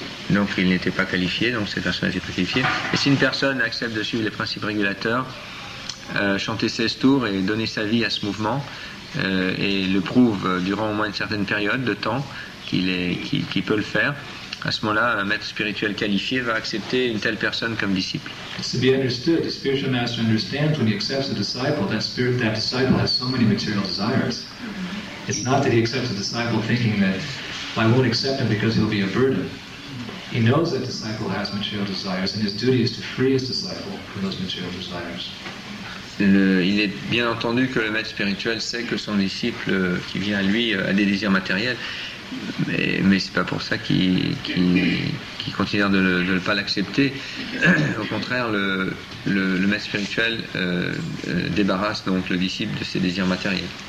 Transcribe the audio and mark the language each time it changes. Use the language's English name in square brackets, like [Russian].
[French] Donc il n'était pas qualifié, donc cette personne n'était pas qualifiée. Et si une personne accepte de suivre les principes régulateurs, chanter 16 tours et donner sa vie à ce mouvement, et le prouve durant au moins une certaine période de temps qu'il peut le faire, à ce moment-là, un maître spirituel qualifié va accepter une telle personne comme disciple. [English] It's to be understood, the spiritual master understands when he accepts a disciple, that disciple has so many material desires. It's not that he accepts a disciple thinking that I won't accept him because he'll be a burden. He knows that disciple has material desires, and his duty is to free his disciple from those material desires. [French] Il est bien entendu que le maître spirituel sait que son disciple qui vient à lui a des désirs matériels, mais c'est pas pour ça qu'il considère de ne pas l'accepter. Au contraire, le maître spirituel débarrasse donc le disciple de ses désirs matériels.